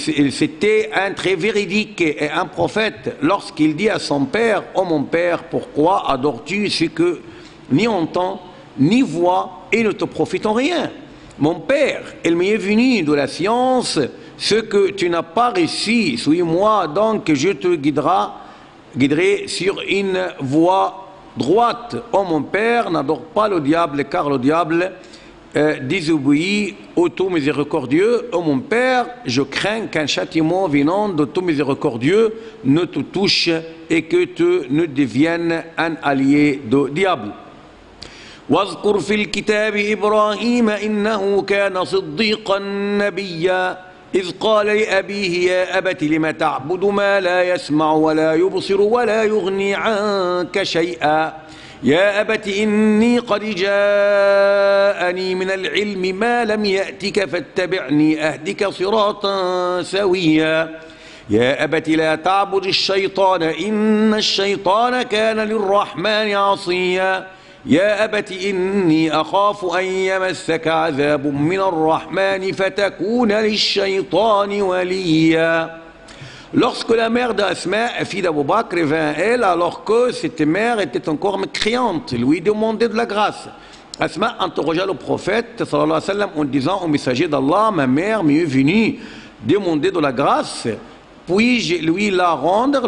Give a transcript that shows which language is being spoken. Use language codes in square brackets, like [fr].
[fr] C'était un très véridique et un prophète lorsqu'il dit à son père, « Oh mon père, pourquoi adores-tu ce que ni entend, ni voit et ne te profite en rien ?»« Mon père, il m'est venu de la science, ce que tu n'as pas réussi, suis-moi donc je te guiderai sur une voie droite. »« Oh mon père, n'adore pas le diable car le diable... » désobéit au tout miséricordieux, ô mon père, je crains qu'un châtiment venant de tout miséricordieux ne te touche et que tu ne deviennes un allié du diable. [ar] واذكر في الكتاب إبراهيم إنه كان صديقا نبيا إذ قال لأبيه يا أبت لم تعبد ما لا يسمع ولا يبصر ولا يغني عنك شيئا يا أبت إني قد جاءني من العلم ما لم يأتك فاتبعني أهدك صراطا سويا يا أبت لا تعبد الشيطان إن الشيطان كان للرحمن عصيا يا أبت إني أخاف أن يمسك عذاب من الرحمن فتكون للشيطان وليا [fr] Lorsque la mère d'Asma, fille d'Abu Bakr, vint à elle, alors que cette mère était encore mécréante, lui demandait de la grâce. Asma interrogea le prophète, sallallahu alayhi wa sallam, en disant au messager d'Allah, ma mère m'y est venue demander de la grâce, puis-je lui la rendre?